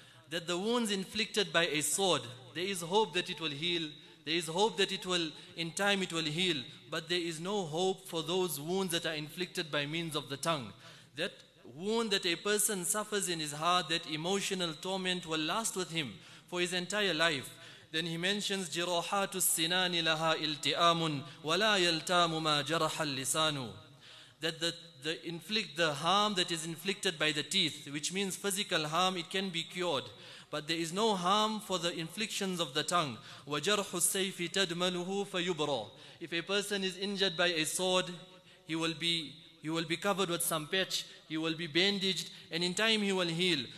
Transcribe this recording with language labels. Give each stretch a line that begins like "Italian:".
English: That the wounds inflicted by a sword, there is hope that it will heal. There is hope that in time it will heal. But there is no hope for those wounds that are inflicted by means of the tongue. That wound that a person suffers in his heart, that emotional torment will last with him for his entire life. Then he mentions,
Arabic: جِرَوْحَاتُ السِّنَانِ لَهَا إِلْتِئَامٌ وَلَا يَلْتَامُ مَا جَرَحَ اللِّسَانُ.
English: That the harm that is inflicted by the teeth, which means physical harm, it can be cured. But there is no harm for the inflictions of the tongue.
Arabic: وَجَرْحُ السَّيْفِ تَدْمَلُهُ فَيُبْرَى.
English: If a person is injured by a sword, he will be covered with some patch, he will be bandaged, and in time he will heal.